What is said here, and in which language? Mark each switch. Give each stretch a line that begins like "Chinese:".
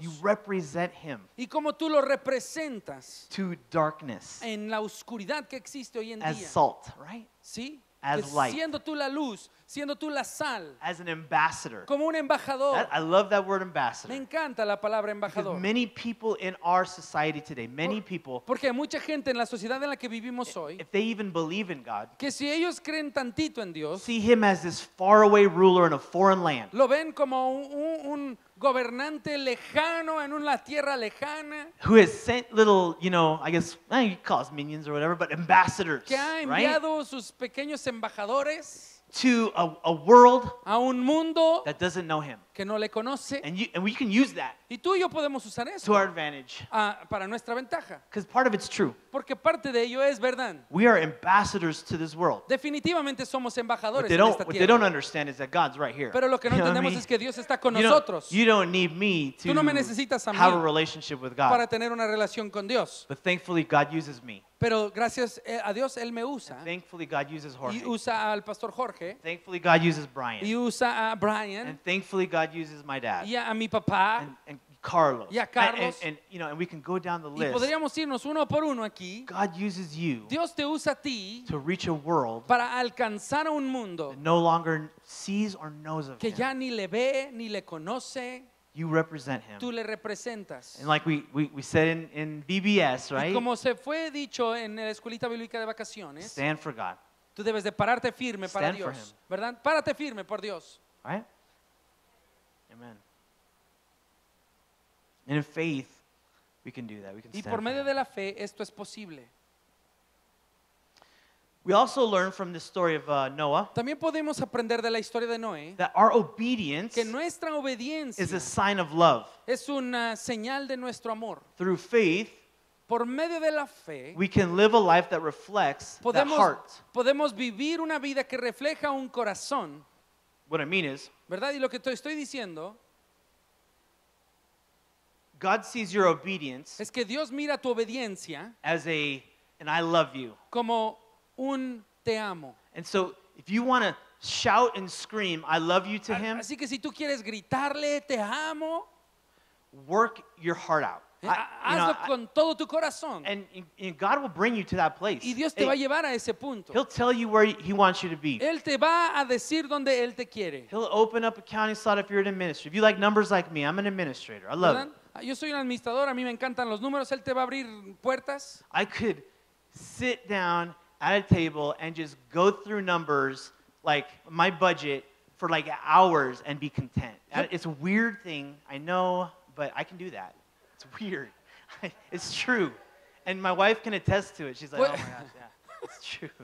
English: You represent Him.
Spanish: Y cómo tú lo representas.
English: To darkness.
Spanish: En la oscuridad que existe hoy en
English: as
Spanish: día.
English: As salt, right?
Spanish: Sí.
English: As light.
Spanish: Siendo tú la luz, siendo tú la sal.
English: As an ambassador.
Spanish: Como un embajador.
English: I love that word ambassador.
Spanish: Me encanta la palabra embajador.
English: Because many people in our society today, many people.
Spanish: Porque mucha gente en la sociedad en la que vivimos hoy.
English: If they even believe in God.
Spanish: Que si ellos creen tantito en Dios.
English: See Him as this faraway ruler in a foreign land.
Spanish: Lo ven como un gobernante lejano en una tierra lejana.
English: Who has sent little, you know, I guess, you call us minions or whatever, but ambassadors.
Spanish: Que ha enviado
English: right?
Spanish: sus pequeños embajadores.
English: To a world
Spanish: a un mundo
English: that doesn't know Him.
Spanish: Que no le conoce.
English: And we can use that.
Spanish: Y tú y yo podemos usar eso.
English: To our advantage.
Spanish: Para nuestra ventaja.
English: Because part of it's true.
Spanish: Porque parte de ello es verdad.
English: We are ambassadors to this world.
Spanish: Definitivamente somos embajadores en esta tierra.
English: What they don't understand is that God's right here.
Spanish: Pero lo que no entendemos es que Dios está con nosotros.
English: You don't need me to
Spanish: tú no me necesitas a mí
English: have a relationship with God.
Spanish: Para tener una relación con Dios.
English: But thankfully God uses me.
Spanish: Pero gracias a Dios él me usa.
English: And thankfully God uses Jorge.
Spanish: Y usa al pastor Jorge.
English: And thankfully God uses Brian.
Spanish: Y usa a Brian.
English: And thankfully God uses my dad.
Spanish: Y a mi papá.
English: And Carlos.
Spanish: Y a Carlos.
English: And you know, and we can go down the list.
Spanish: Y podríamos irnos uno por uno aquí.
English: God uses you.
Spanish: Dios te usa a ti.
English: To reach a world.
Spanish: Para alcanzar a un mundo.
English: That no longer sees or knows of
Spanish: que
English: him.
Spanish: Que ya ni le ve ni le conoce.
English: You represent him.
Spanish: Tú le representas.
English: And like we said in BBS, right?
Spanish: Y como se fue dicho en la escuelita bíblica de vacaciones.
English: Stand for God.
Spanish: Tú debes de pararte firme
English: stand
Spanish: para Dios,
English: for him.
Spanish: ¿Verdad? Párate firme por Dios.
English: Right? Amen. And in faith, we can do that. We can
Spanish: y
English: stand.
Spanish: Y por medio
English: for him.
Spanish: De la fe esto es posible.
English: We also learn from the story of Noah.
Spanish: También podemos aprender de la historia de Noé.
English: That our obedience
Spanish: que nuestra obediencia
English: is a sign of love.
Spanish: Es una señal de nuestro amor.
English: Through faith,
Spanish: por medio de la fe,
English: we can live a life that reflects
Spanish: podemos,
English: that heart.
Spanish: Podemos vivir una vida que refleja un corazón.
English: What I mean is,
Spanish: ¿verdad? Y lo que te estoy diciendo,
English: God sees your obedience
Spanish: es que Dios mira tu obediencia
English: as a and I love you.
Spanish: Como un te amo.
English: And so if you want to shout and scream I love you to him,
Spanish: así que si tú quieres gritarle te amo,
English: work your heart out.
Spanish: Hazlo con todo tu corazón.
English: And God will bring you to that place.
Spanish: Y Dios te va a llevar a ese punto.
English: He'll tell you where he wants you to be.
Spanish: Él te va a decir dónde él te quiere.
English: He'll open up a counting slot if you're in ministry. If you like numbers like me, I'm an administrator. I love it.
Spanish: Yo soy un administrador, a mí me encantan los números, él te va a abrir puertas.
English: I could sit down at a table and just go through numbers like my budget for like hours and be content. It's a weird thing, I know, but I can do that. It's weird. It's true. And my wife can attest to it. She's like, oh my gosh, yeah, it's true.